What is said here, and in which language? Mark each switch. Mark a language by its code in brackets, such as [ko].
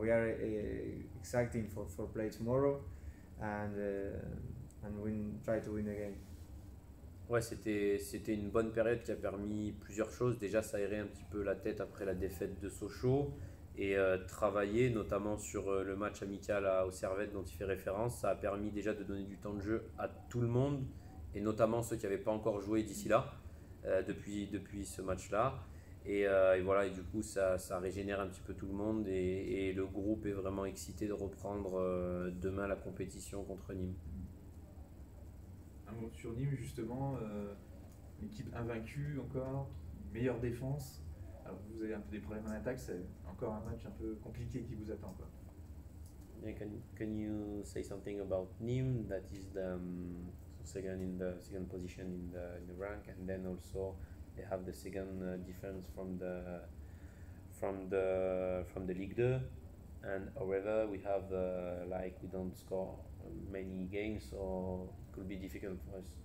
[en] We are exciting for play tomorrow, and win, try to win the game. [fr] Ouais, c'était une bonne période qui a permis plusieurs choses. Déjà, s'aérer un petit peu la tête après la défaite de Sochaux et travailler notamment sur le match amical au Servette dont il fait référence. Ça a permis déjà de donner du temps de jeu à tout le monde et notamment ceux qui n'avaient pas encore joué d'ici là, depuis ce match-là. Et voilà, et du coup, ça régénère un petit peu tout le monde et le groupe est vraiment excité de reprendre demain la compétition contre Nîmes. Sur Nîmes, justement, équipe invaincue encore, meilleure défense. Alors, vous avez un peu des problèmes en attaque, c'est encore un match un peu compliqué qui vous attend, quoi. [en] Can you say something about Nîmes, that is the second position in the rank, and then also they have the second defense from the Ligue 2, and however we have like we don't score many games, so could be difficult for us.